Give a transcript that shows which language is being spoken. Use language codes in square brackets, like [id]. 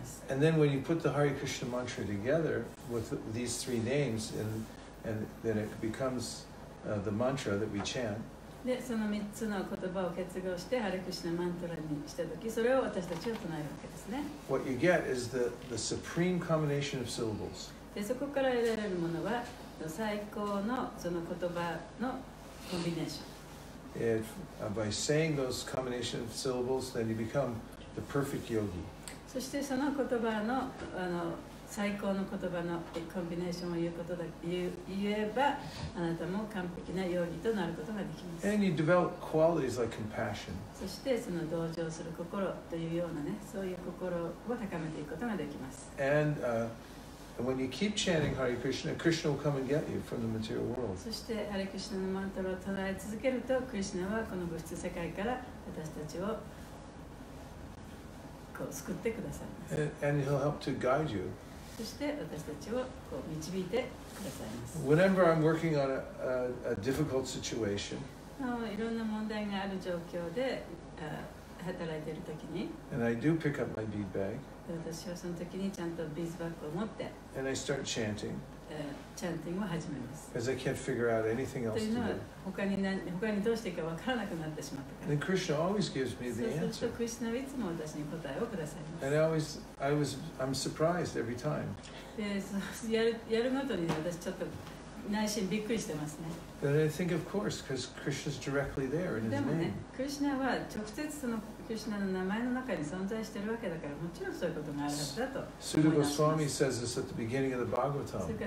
[en] And then when you put the Hare Krishna mantra together with these three names, and then it becomes the mantra that we chant. [ja] で、その3つの言葉を結合してハレクシュナマントラにしたとき、それを私たちは唱えるわけですね。 [en] What you get is the supreme combination of syllables. [ja] で、そこから得られるものは最高のその言葉のコンビネーション。 [en] If, by saying those combination of syllables, then you become the perfect yogi. [ja] そしてその言葉の、最高の言葉のコンビネーションを言うことだ、言えばあなたも完璧な容疑となることができます。 [en] And you develop qualities like compassion. [ja] そしてその同情する心というようなね、そういう心を高めていくことができます。 [en] And, when you keep chanting Hare Krishna, Krishna will come and get you from the material world. [ja] そしてハリクリシュナのマントラを唱え続けると、クリシュナはこの物質世界から私たちを救ってくださいます。 [en] And he'll help to guide you. [ja] そして私たちをこう導いてくださいます。 [en] Whenever I'm working on a difficult situation, [ja] いろんな問題がある状況で働いているときに、 [en] and I do pick up my bead bag, [ja] 私はそのときにちゃんとビーズバッグを持って、 [en] and I start chanting, [ja] チャンティングを始めます。 [en] As I can't figure out anything else to do. [ja] というのは他にどうしていいかわからなくなってしまったから。 [en] Then Krishna always gives me the answer. [ja] そうするとクリシュナはいつも私に答えをくださいます。 [en] And I'm surprised every time. [ja] で、やるごとに、ね、私ちょっと内心びっくりしてますね。 [en] But I think of course, because Krishna's directly there in his name. [ja] でもね、クリシュナは直接そのクリシュナの名前の中に存在しているわけだから、もちろんそういうことがあるはずだと思います。 [en] Sutta Goswami says this at the beginning of the Bhagavatam.